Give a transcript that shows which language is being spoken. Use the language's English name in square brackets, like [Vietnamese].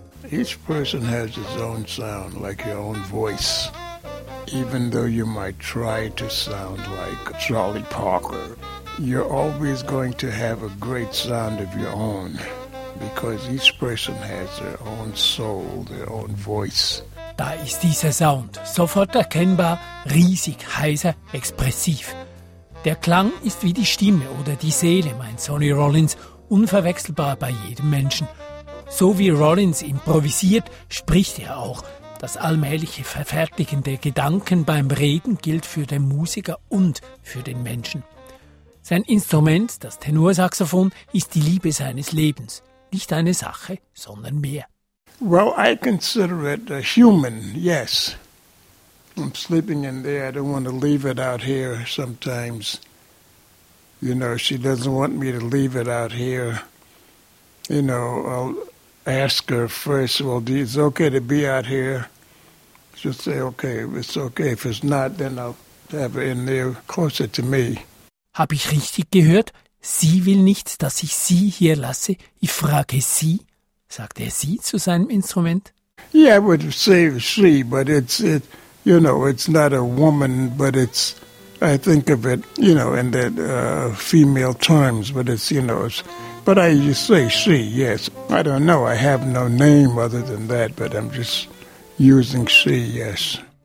[English] Each person has his own sound, like your own voice. Even though you might try to sound like Charlie Parker, you're always going to have a great sound of your own, because each person has their own soul, their own voice. [German] Da ist dieser Sound sofort erkennbar, riesig, heiser, expressiv. Der Klang ist wie die Stimme oder die Seele, meint Sonny Rollins, unverwechselbar bei jedem Menschen. So wie Rollins improvisiert, spricht er auch. Das allmähliche Verfertigen der Gedanken beim Reden gilt für den Musiker und für den Menschen. Sein Instrument, das Tenorsaxophon, ist die Liebe seines Lebens. Nicht eine Sache, sondern mehr. [English] Well, I consider it a human, yes. I'm sleeping in there, I don't want to leave it out here sometimes. You know, she doesn't want me to leave it out here. You know, I'll ask her first, well, it's okay to be out here. She'll say, okay, it's okay. If it's not, then I'll have her in there closer to me. [German] Hab ich richtig gehört? Sie will nicht, dass ich sie hier lasse. Ich frage sie, sagt er sie zu seinem Instrument? [English] Yeah, I would say she, but it's not a woman, but it's, I think of it, you know, in that female terms, but it's, you know, it's, but I just say she, yes. I don't know, I have no name other than that, but I'm just using she, yes.